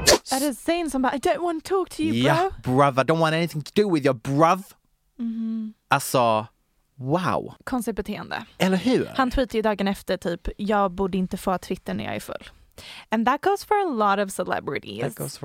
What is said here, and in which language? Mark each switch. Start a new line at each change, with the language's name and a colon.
English: That is saying somebody. I don't want to talk to you, bro. Yeah, brother. Don't want anything to do with your bruv.
Swedish: Alltså, wow. Konstigt beteende. Eller hur? Han tweetade ju dagen efter typ, jag borde inte få Twitter när jag är full.
English: And that goes for a lot of celebrities.